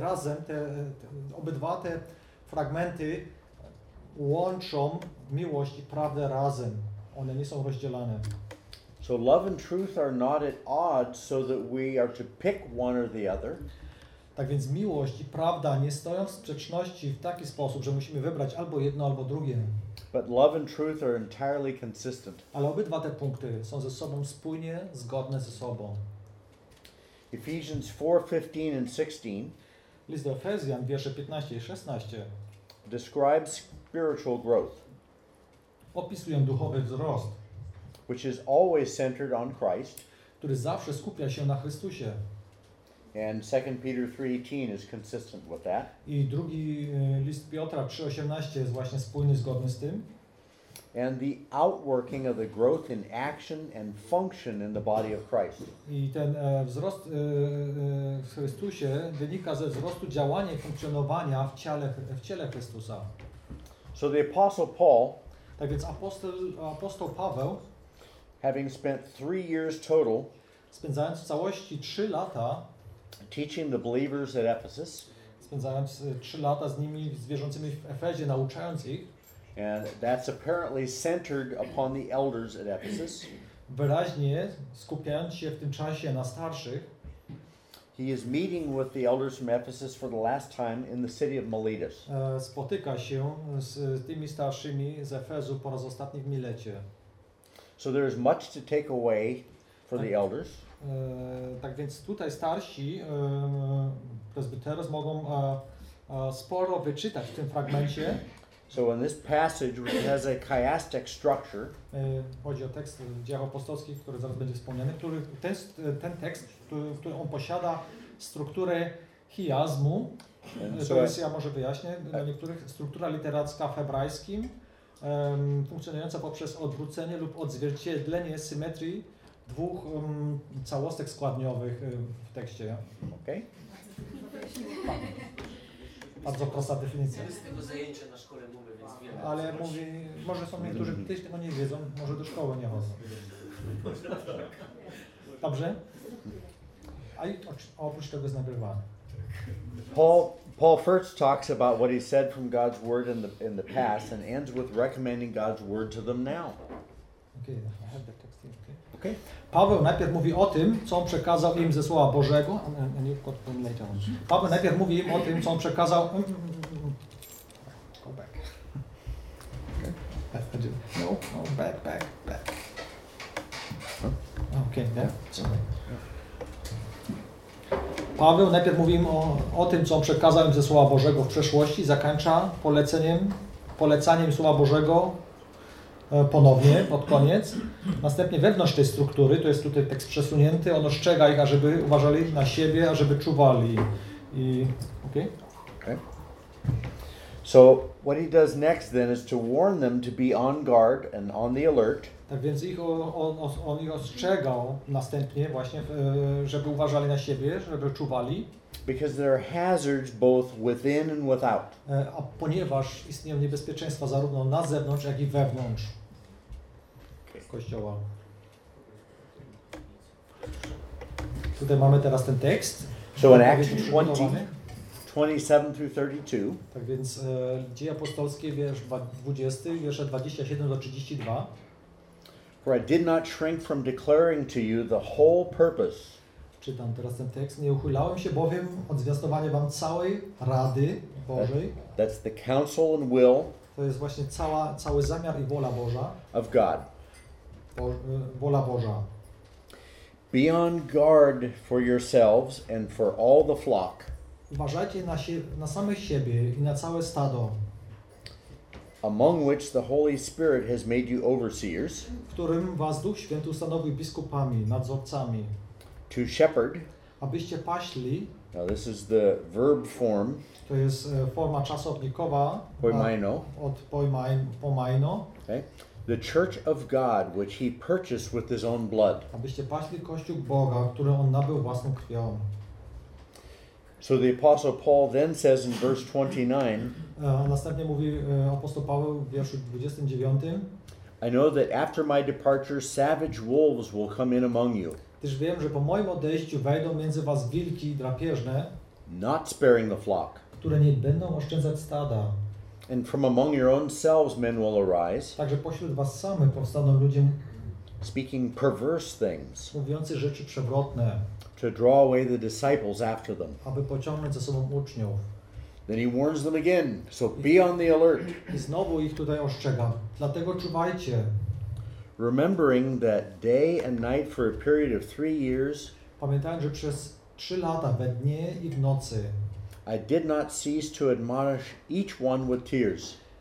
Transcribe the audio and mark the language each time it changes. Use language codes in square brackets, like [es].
[pl] Razem obydwa te fragmenty łączą miłość i prawdę razem. One nie są rozdzielane. [en] So love and truth are not at odds, so that we are to pick one or the other. [pl] Tak więc miłość i prawda nie stoją w sprzeczności w taki sposób, że musimy wybrać albo jedno, albo drugie. [en] But love and truth are entirely consistent. [pl] Ale obydwa te punkty są ze sobą spójnie, zgodne ze sobą. [en] Ephesians 4, 15 and 16. [pl] List do Efezjan, wiersze 15 i 16. [en] Describes spiritual growth. [pl] Opisują duchowy wzrost. [en] Which is always centered on Christ. [pl] Który zawsze skupia się na Chrystusie. [en] And 2 Peter 3:18 is consistent with that. [pl] I drugi list Piotra 3:18 jest właśnie spójny, zgodny z tym. [en] And the outworking of the growth in action and function in the body of Christ. [pl] I ten wzrost w Chrystusie wynika ze wzrostu działania i funkcjonowania w ciele Chrystusa. [en] So the apostle Paul, [pl] tak więc apostoł Paweł, [en] having spent 3 years total, [pl] spędzając w całości 3 lata [en] teaching the believers at Ephesus, [pl] spędzając 3 lata z nimi, z wierzącymi w Efezie, nauczając ich, [en] and that's apparently centered upon the elders at Ephesus, [pl] wyraźnie skupiając się w tym czasie na starszych, [en] he is meeting with the elders from Ephesus for the last time in the city of Miletus. [pl] Spotyka się z tymi starszymi z Efezu po raz ostatni w Milecie. [en] So there is much to take away for the elders. [pl] Tak więc tutaj starsi prezbiterzy mogą sporo wyczytać w tym fragmencie. [en] So in this passage, which has a chiastic structure, [pl] chodzi o tekst w Dziejach Apostolskich, który zaraz będzie wspomniany, który ten tekst, który on posiada strukturę chiasmu, to jest, ja może wyjaśnię, dla niektórych struktura literacka w hebrajskim, funkcjonująca poprzez odwrócenie lub odzwierciedlenie symetrii dwóch całostek składniowych w tekście. Okej. Okay. Bardzo prosta definicja. Z tego zajęcia na szkole mówię, więc wiem. Ale mówi, może są niektórzy, którzy też tego nie wiedzą, może do szkoły nie chodzą. Dobrze? A oprócz tego jest nagrywane. [en] Paul first talks about what he said from God's word in the past and ends with recommending God's word to them now. Okay, I have the text here. Okay. [pl] Paweł najpierw mówi o tym, co on przekazał im ze Słowa Bożego. [en] And you've got them later on. [pl] Paweł najpierw mówi im o tym, co on przekazał. [en] Go back. Okay. No, back. Huh? Okay, there. Yeah. [pl] Paweł najpierw mówi im o tym, co on przekazał im ze Słowa Bożego w przeszłości. Zakończa polecaniem Słowa Bożego ponownie, pod koniec. Następnie wewnątrz tej struktury, to jest tutaj tekst przesunięty, on ostrzega ich, ażeby uważali na siebie, ażeby czuwali. I, okay? Okay. [en] So what he does next then is to warn them to be on guard and on the alert. [pl] Tak więc on ich ostrzegał następnie właśnie, żeby uważali na siebie, żeby czuwali. [en] Because there are hazards both within and without. [pl] A ponieważ istnieją niebezpieczeństwa zarówno na zewnątrz, jak i wewnątrz kościoła. Tutaj mamy teraz ten tekst. [en] So in Acts 20:27-32. [pl] Tak więc Dzieje Apostolskie, wiersz 20, wiersze 27-32. [en] For I did not shrink from declaring to you the whole purpose. [pl] Czytam teraz ten tekst. Nie uchylałem się bowiem od zwiastowania wam całej rady Bożej. [en] That's the counsel and will. [pl] To jest właśnie cały zamiar i wola Boża. [en] Of God. [pl] Wola Boża. [en] Be on guard for yourselves and for all the flock. [pl] Uważajcie na samych siebie i na całe stado. [en] Among which the Holy Spirit has made you overseers, [pl] w którym was Duch Święty ustanowił biskupami, nadzorcami, [en] to shepherd, [pl] abyście paśli. [en] Now this is the verb form. [pl] To jest forma czasownikowa. Poimaino. Od poimaino. Okay. [en] The church of God, which he purchased with his own blood. [pl] Abyście paśli kościół Boga, który on nabył własną krwią. [en] So the apostle Paul then says in verse 29. [pl] Następnie mówi apostoł Paweł w wierszu 29. [en] I know that after my departure, savage wolves will come in among you. [pl] Też wiem, że po moim odejściu wejdą między was wilki drapieżne. [en] Not sparing the flock. [pl] Które nie będą oszczędzać stada. [en] And from among your own selves men will arise. [pl] Także pośród was samych powstaną ludzie. [en] Speaking perverse things. [pl] Mówiący rzeczy przewrotne. [en] To draw away the disciples after them. [pl] Aby pociągnąć za sobą uczniów. [en] Then he warns them again, so be on the alert. [pl] I znowu ich tutaj ostrzega. Dlatego czuwajcie. [en] Remembering that day and night for a period of 3 years. [pl] Pamiętając, że przez 3 lata we dnie i w nocy. [en] I did not cease to admonish each one with tears.